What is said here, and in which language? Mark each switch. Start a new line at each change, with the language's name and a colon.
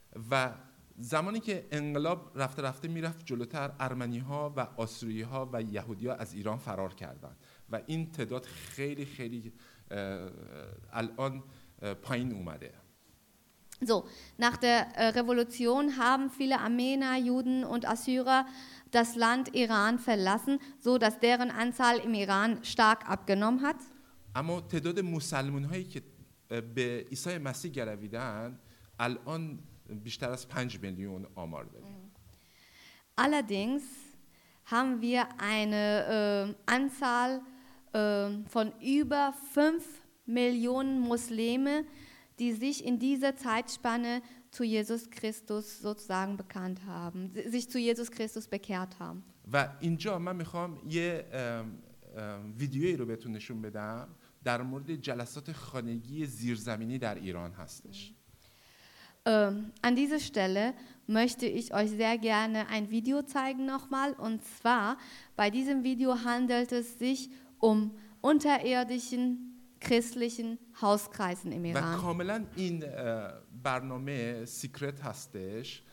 Persian: و زمانی که انقلاب رفته رفته میرفت جلوتر، ارمنی‌ها و آسوری‌ها و یهودی‌ها از ایران فرار کردند و این تعداد خیلی خیلی الان پایین اومده.
German: So, nach der Revolution haben viele Armenier, Juden und Assyrer das Land Iran verlassen, so dass deren Anzahl im Iran stark abgenommen hat.
Persian: اما تعداد مسلمان‌هایی که به عیسی مسیح گرویدن الان بیشتر از 5 میلیون آمار داریم.
German: Allerdings haben wir eine Anzahl von über 5 Millionen Muslime, die sich in dieser Zeitspanne zu Jesus Christus sozusagen bekannt haben, sich zu Jesus Christus bekehrt haben.
Persian: و اینجا من میخوام یه ویدیویی رو بهتون نشون بدم در مورد جلسات خانگی زیرزمینی در ایران هستش.
German: An dieser Stelle möchte ich euch sehr gerne ein Video zeigen nochmal. Und zwar, bei diesem Video handelt es sich um unterirdischen christlichen Hauskreisen im Iran. Und komplett in Programm secret ist es.